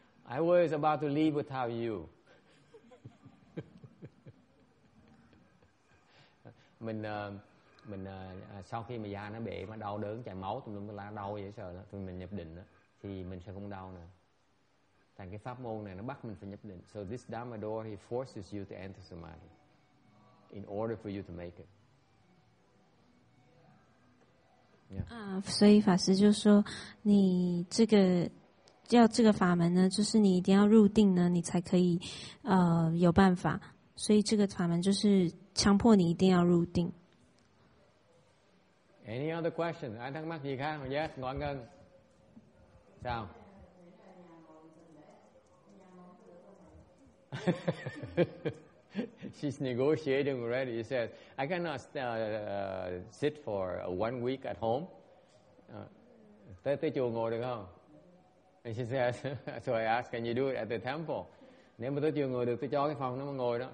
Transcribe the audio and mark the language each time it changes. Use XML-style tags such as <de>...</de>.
<en>I was about to leave without you.</en> <vi>mình sau khi mà da nó bể mà đau đớn chảy máu tùm lum la đau vậy sợ đó, thì mình nhập định đó, thì mình sẽ không đau nữa. Thành cái pháp môn này nó bắt mình phải nhập định.</vi> <en>So this Dhamma door, he forces you to enter samadhi in order for you to make it. Yeah.</en> <zh>所以法师就说你这个要这个法门呢，就是你一定要入定呢，你才可以有办法。所以这个法门就是强迫你一定要入定。</zh> <en>Any other question?</en> <zh>爱他妈你看</zh> <en>，Yes，</en> <zh>暖根，这样。</zh> <en>She's negotiating already. She says, "I cannot sit for one week at home."</en> <vi>Tới tới chùa ngồi được không?</vi> <en>And she says, "So I ask, can you do it at the temple?"</en> <vi>Nếu mà tới chùa ngồi được, tôi cho cái phòng nó mà ngồi đó.</vi>